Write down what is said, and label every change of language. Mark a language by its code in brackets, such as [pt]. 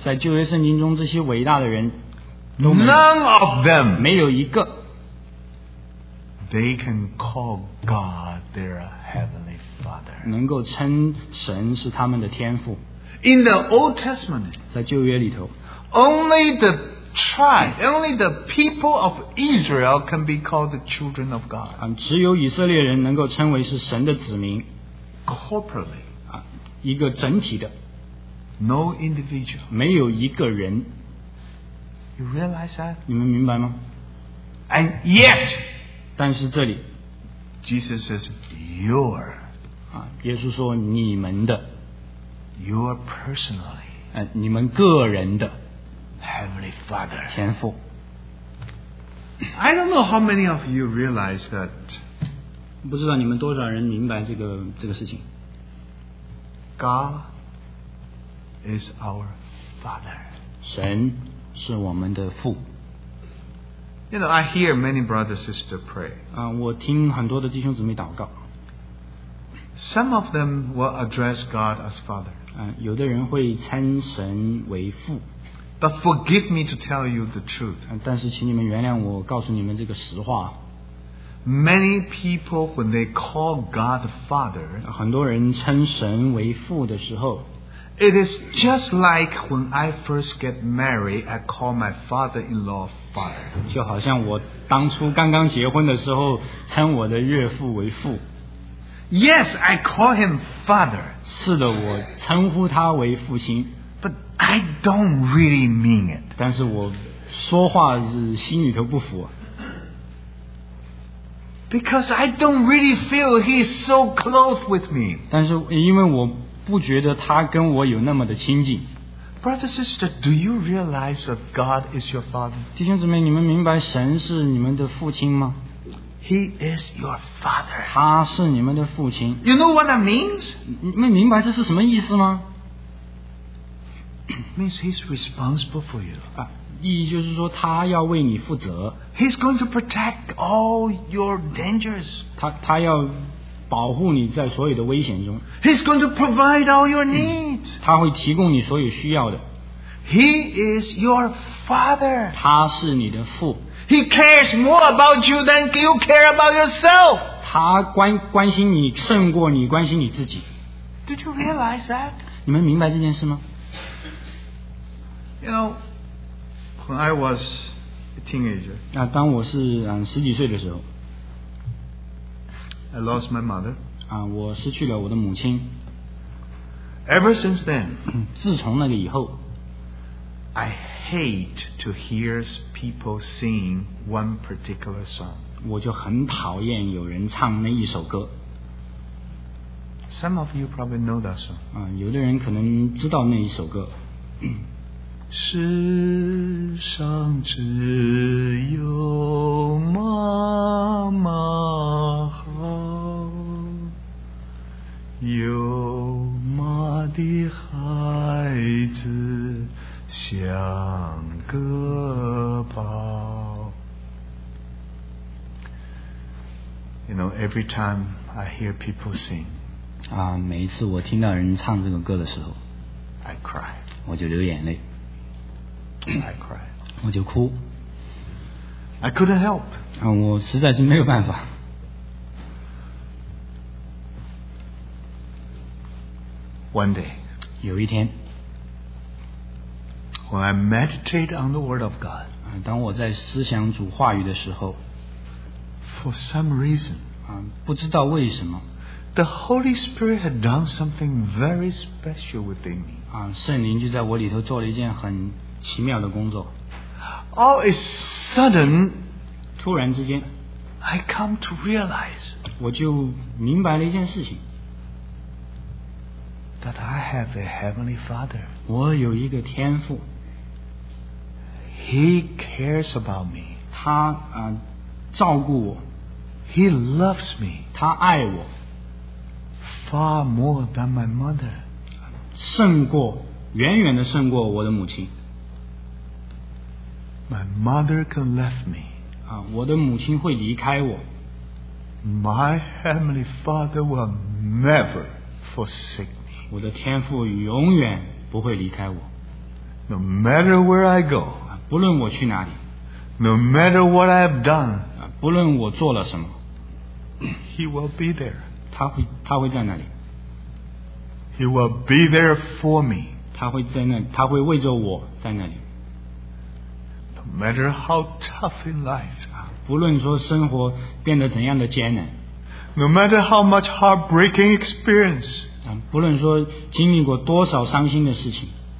[zh] 在旧约圣经中这些伟大的人都没有。 [en] None of them. [zh] 没有一个。 [en] They can call God their heavenly Father. [zh] 能够称神是他们的天父。 [en] In the Old Testament, [zh] 在旧约里头 [en] only the people of Israel can be called the children of God. [zh] 只有以色列人能够称为是神的子民。 [en] Corporately, [zh] 一个整体的。 [en] No individual. [zh] 没有一个人。 [en] You realize that? [zh] 你们明白吗？ [en] And yet. [zh] 但是这里 [en] Jesus says your [zh] 耶稣说你们的 [en] your personally [zh] 你们个人的 [en] heavenly father [zh] 天父 [en] I don't know how many of you realize that [zh] 不知道你们多少人明白这个事情 [en] God is our father [zh] 神是我们的父 [en] You know, I hear many brothers and sisters pray. [zh] 我听很多的弟兄姊妹祷告。 [en] Some of them will address God as Father. [zh] 有的人会称神为父。 [en] But forgive me to tell you the truth. [zh] 但是请你们原谅我告诉你们这个实话。 [en] Many people, when they call God Father, [zh] 很多人称神为父的时候 [en] it is just like when I first get married, I call my father-in-law Father. [zh] 就好像我当初刚刚结婚的时候称我的岳父为父 [en] Yes, I call him father [zh] 是的我称呼他为父亲 [en] But I don't really mean it [zh] 但是我说话是心里头不服 [en] Because I don't really feel he's so close with me [zh] 但是因为我不觉得他跟我有那么的亲近 [en] Brother, sister, do you realize that God is your father? [zh] 弟兄姊妹，你们明白神是你们的父亲吗？ [en] He is your father. [zh] 他是你们的父亲。 [en] You know what that means? [zh] 你们明白这是什么意思吗？ [en] Means he's responsible for you. [zh] 意义就是说他要为你负责。 [en] He's going to protect all your dangers. [zh] 他要保护你在所有的危险中 [en] He's going to provide all your needs [zh] 他会提供你所有需要的 [en] He is your father. [zh] 他是你的父。 [en] He cares more about you than you care about yourself. [zh] 他关心你胜过你关心你自己。 [en] Did you realize that? [zh] 你们明白这件事吗？ [en] You know, when I was a teenager, [zh] 啊，当我是十几岁的时候， [en] I lost my mother. [zh] 啊，我失去了我的母亲。 [en] Ever since then, [zh] 自从那个以后。 [en] I hate to hear people sing one particular song. [zh] 我就很讨厌有人唱那一首歌。 [en] Some of you probably know that song. [zh] 有的人可能知道那一首歌。世上只有妈妈好，有妈的孩子像个宝。 [en] You know, every time I hear people sing, [zh] 啊，每一次我听到人唱这个歌的时候， [en] I cry, [zh] 我就流眼泪。 [en] I cry, [zh] 我就哭。 [en] I couldn't help, [zh] 啊，我实在是没有办法。 [en] One day, [zh] 有一天， [en] When I meditate on the word of God, [zh] 当我在思想主话语的时候， [en] for some reason, [zh] 不知道为什么， [en] the Holy Spirit had done something very special within me. [zh] 圣灵就在我里头做了一件很奇妙的工作。 [en] All of a sudden, [zh] 突然之间， [en] I come to realize, [zh] 我就明白了一件事情， [en] that I have a heavenly Father. [zh] 我有一个天父。 [en] He cares about me. [zh] 他照顾我。 [en] He loves me. [zh] 他爱我。 [en] Far more than my mother. [zh] 胜过，远远的胜过我的母亲。 [en] My mother can leave me. [zh] 我的母亲会离开我。 [en] My heavenly Father will never forsake me. [zh] 我的天父永远不会离开我。 [en] No matter where I go. [zh] 不论我去哪里， [en] No matter what I have done, [zh] 不论我做了什么， [en] He will be there. [zh] 他会在那里。 [en] He will be there for me. [zh] 他会为着我在那里。 [en] No matter how tough in life, [zh] 不论说生活变得怎样的艰难， [en] No matter how much heartbreaking experience, [zh] 不论说经历过多少伤心的事情，